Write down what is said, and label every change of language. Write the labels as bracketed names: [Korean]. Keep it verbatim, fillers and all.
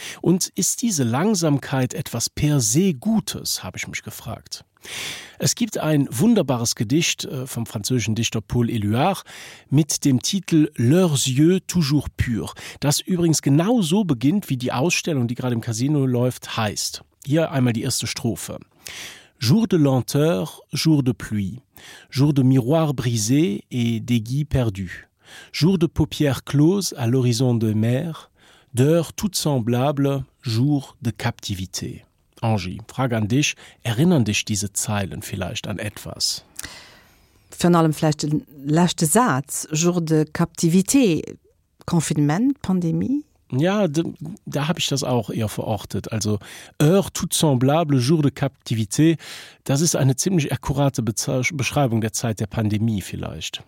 [German] Und ist diese Langsamkeit etwas per se Gutes, habe ich mich gefragt. Es gibt ein wunderbares Gedicht vom französischen Dichter Paul Éluard mit dem Titel Leurs yeux toujours purs, das übrigens genau so beginnt, wie die Ausstellung, die gerade im Casino läuft, heißt. Hier einmal die erste Strophe. [French] Jour de lenteur, jour de pluie, jour de miroir brisé et d'aiguilles perdues, jour de paupières closes à l'horizon de mer, d'heures toutes semblables, jour de captivité. [German] Angie, Frage an dich, erinnern dich diese Zeilen vielleicht an etwas? Vor allem vielleicht den letzten Satz, [French] Jour de Captivité, [German] Confinement, Pandemie? Ja, da, da habe ich das auch eher verortet. Also, [French] heure tout semblable, jour de captivité, [German] das ist eine ziemlich akkurate Beze- Beschreibung der Zeit der Pandemie vielleicht.